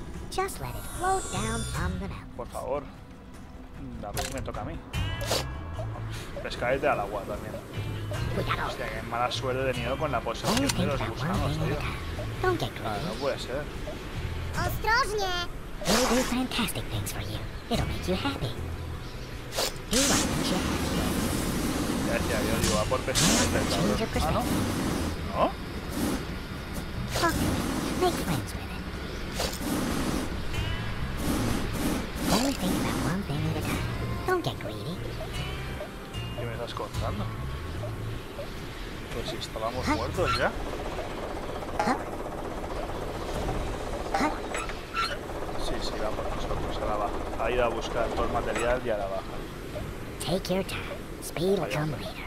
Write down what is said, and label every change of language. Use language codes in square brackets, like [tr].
[en] Just let it float down from the mouth. [es] Por favor. A ver si me toca a mí. Pescadete al agua también. Cuidado. Hostia, qué mala suerte he tenido con la posesión de los gusanos, tío. Claro, no puede ser. Ostrosnie. [en] He'll do fantastic things for you. It'll make you happy. He won't let you happy. [es] Ya decía, yo digo, va por pescadete. ¿Ah, no? ¿No? [en] Okay. Make friends with it. Only think about one thing at a time. Don't get greedy. [es] ¿Qué me estás contando? Pues si estábamos muertos ya. Sí, sí, vamos nosotros a la baja. Ha ido a buscar todo el material y a la baja. [en] Take your time. Speed will come later.